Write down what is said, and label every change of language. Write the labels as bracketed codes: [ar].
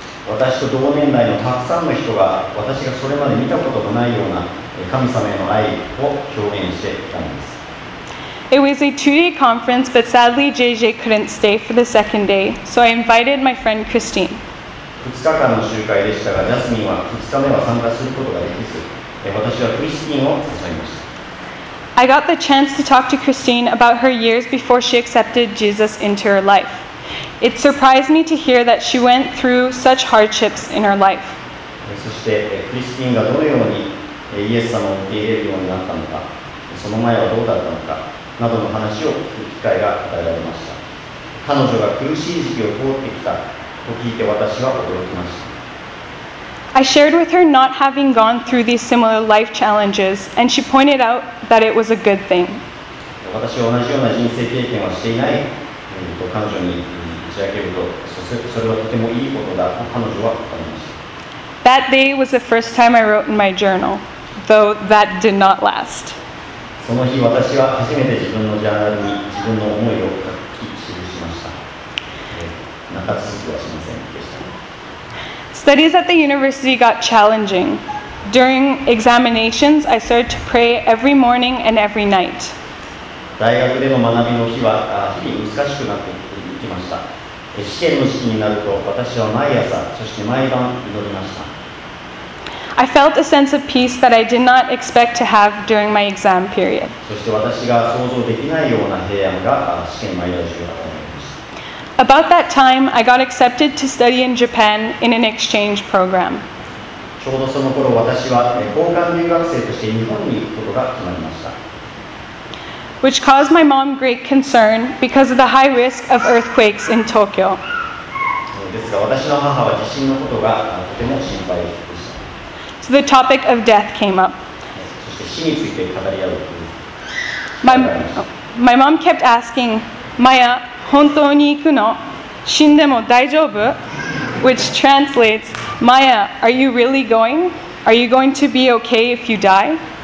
[ja] 私と同年代のたくさんの人が私がそれまで見たことがないような神様への愛を表現していたんです。 [en] It was a two-day conference, but sadly JJ couldn't stay for the second day, so I invited my friend Christine. [ja] 2日間の集会でしたが、ジャスミンは2日目は参加することができず、私はクリスティーンを誘いました。 [en] I got the chance to talk to Christine about her years before she accepted Jesus into her life. It surprised me to hear that she went through such hardships in her life. [ja] そしてクリスティーンがどのようにイエス様を受け入れるようになったのか、その前はどうだったのかなどの話を聞く機会が与えられました。彼女が苦しい時期を通ってきたと聞いて私は驚きました。 [en] I shared with her not having gone through these similar life challenges, and she pointed out that it was a good thing. [ja] 私は同じような人生経験はしていないと彼女にそれはとてもいいことだと彼女は言いました。 [en] That day was the first time I wrote in my journal, though that did not last. [ja] その日私は初めて自分のジャーナルに自分の思いを書き記しました。長続きはしませんでした。 [en] Studies at the university got challenging. During examinations, I started to pray every morning and every night. [ja] 大学での学びの日は日々難しくなっていきました。試験の時期になると私は毎朝そして毎晩祈りました。 [en] I felt a sense of peace that I did not expect to have during my exam period. [ja] そして私が想像できないような平安が試験の間中に与えられました。 [en] About that time, I got accepted to study in Japan in an exchange program. [ja] ちょうどその頃私は交換留学生として日本に行くことが決まりました。 [en] Which caused my mom great concern because of the high risk of earthquakes in Tokyo. [ja] ですが、私の母は地震のことがとても心配でした。 [en] So the topic of death came up. [ja] そして死について語り合う。 [en] My mom kept asking, Maya, [ja] 本当に行くの? 死んでも大丈夫? [en] Which translates, Maya, are you really going? Are you going to be okay if you die?